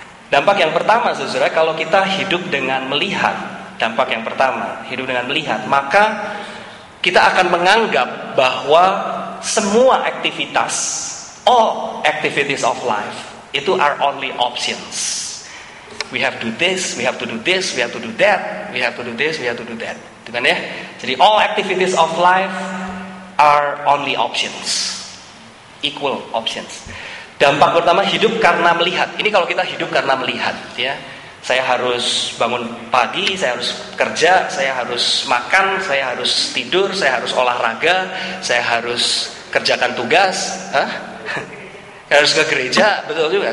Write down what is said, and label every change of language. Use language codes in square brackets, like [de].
[id] Dampak yang pertama saudara, kalau kita hidup dengan melihat, dampak yang pertama, hidup dengan melihat, maka kita akan menganggap bahwa semua aktivitas, [en] all activities of life, [id] itu [en] are only options. We have to do this, we have to do this, we have to do that, we have to do this, we have to do that. [id] Itu kan ya? [en] Jadi all activities of life are only options, equal options. [id] Dampak pertama, hidup karena melihat. Ini kalau kita hidup karena melihat, ya, saya harus bangun pagi, saya harus kerja, saya harus makan, saya harus tidur, saya harus olahraga, saya harus kerjakan tugas, saya harus ke gereja, betul juga.